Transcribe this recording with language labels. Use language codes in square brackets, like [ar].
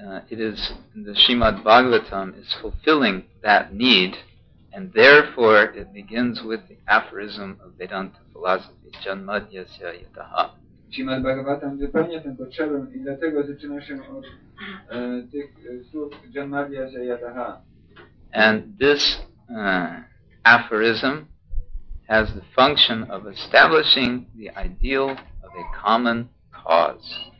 [en] It is the Śrīmad Bhāgavatam is fulfilling that need, and therefore it begins with the aphorism of Vedanta philosophy, janmadyasya yataha. [pl] Śrīmad Bhāgavatam wypełnia tę potrzebę i dlatego zaczyna się od tych słów janmadyasya yataha. [en] And this aphorism has the function of establishing the ideal of a common cause.